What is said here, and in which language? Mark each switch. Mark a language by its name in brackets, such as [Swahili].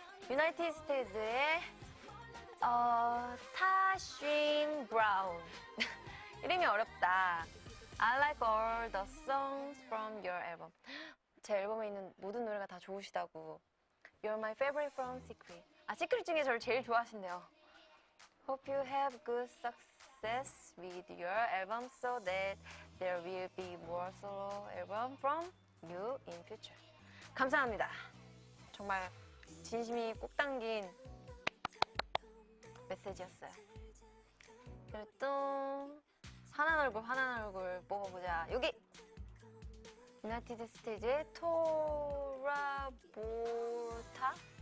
[Korean] 유나이티드 스테이트의 타쉰 브라운. 이름이 어렵다. [English] I like all the songs from your album. [Korean] 제 앨범에 있는 모든 노래가 다 좋으시다고. [English] You're my favorite from Secret. [Korean] 아, Secret 중에 저를 제일 좋아하신대요. [English] Hope you have good success with your album so that there will be more solo album from you in future. [Korean] 감사합니다. 정말 진심이 꼭 담긴 메시지였어요. 그리고 또 환한 얼굴, 환한 얼굴 뽑아보자. 여기! 유나이티드 스테이지의 토라보타?